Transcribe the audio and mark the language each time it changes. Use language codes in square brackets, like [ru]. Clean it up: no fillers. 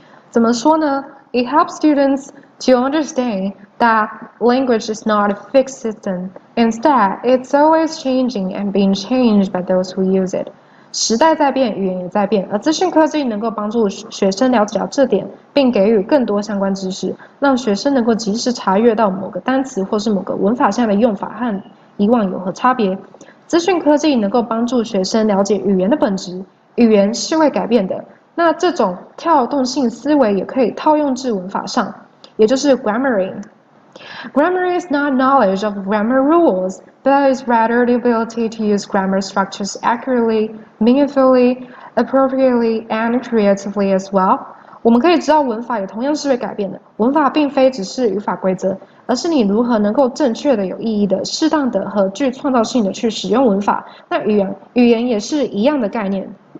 [zh] 怎么说呢 [en] ？It helps students to understand that language is not a fixed system. Instead, it's always changing and being changed by those who use it. [zh] 时代在变，语言也在变。而资讯科技能够帮助学生了解到这点，并给予更多相关知识，让学生能够及时查阅到某个单词或是某个文法下的用法和以往有何差别。资讯科技能够帮助学生了解语言的本质，语言是会改变的。那这种跳动性思维也可以套用至文法上，也就是 grammaring。 [en] Grammar is not knowledge of grammar rules, but is rather the ability to use grammar structures accurately, meaningfully, appropriately, and creatively as well. [zh] 我们可以知道文法也同样是会改变的。文法并非只是语法规则，而是你如何能够正确的、有意义的、适当的和具创造性的去使用文法。那语言也是一样的概念。